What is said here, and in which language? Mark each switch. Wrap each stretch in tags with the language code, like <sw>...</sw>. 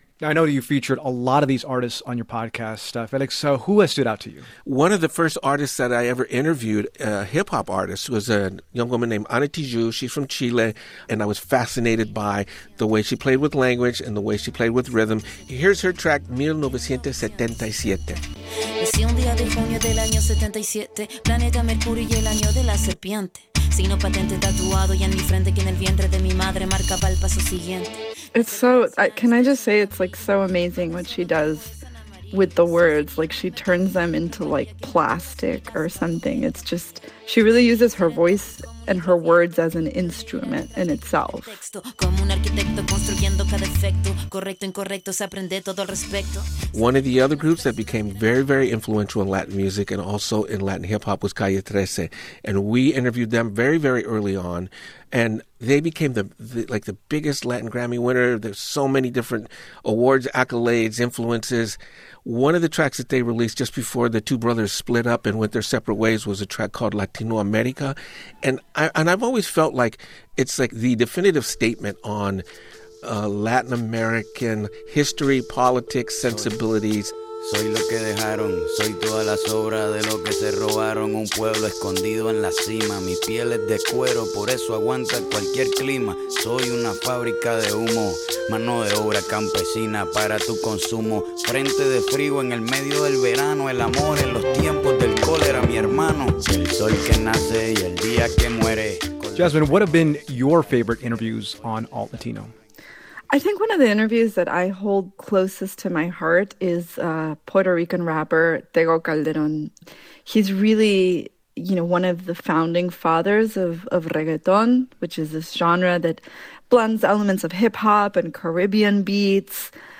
<en>I know you featured a lot of these artists on your podcast, Felix. So who has stood out to you? One of the first artists that I ever interviewed, a hip-hop artist, was a young woman named Ana Tiju. She's from Chile, and I was fascinated by the way she played with language and the way she played with rhythm. Here's her track, 1977.</en> <es>Si un día de junio del año 77, planeta Mercurio y el año de la serpiente.</es> <en>It's so, can I just say, it's like so amazing what she does with the words. Like, she turns them into like plastic or something. It's just, she really uses her voice and her words as an instrument in itself. One of the other groups that became very, very influential in Latin music and also in Latin hip-hop was Calle 13. And we interviewed them very, very early on. And they became the biggest Latin Grammy winner. There's so many different awards, accolades, influences. One of the tracks that they released just before the two brothers split up and went their separate ways was a track called Latino America. And I've always felt like it's like the definitive statement on Latin American history, politics, sensibilities.</en> <es>Soy lo que dejaron, soy toda la sobra de lo que se robaron. Un pueblo escondido en la cima, mi piel es de cuero, por eso aguanta cualquier clima. Soy una fábrica de humo, mano de obra campesina para tu consumo. Frente de frío en el medio del verano, el amor en los tiempos del cólera, mi hermano. El sol que nace y el día que muere.</es> <en>Jasmine, what have been your favorite interviews on Alt Latino? I think one of the interviews that I hold closest to my heart is Puerto Rican rapper Tego Calderon. He's really, you know, one of the founding fathers of reggaeton, which is this genre that blends elements of hip-hop and Caribbean beats.</en>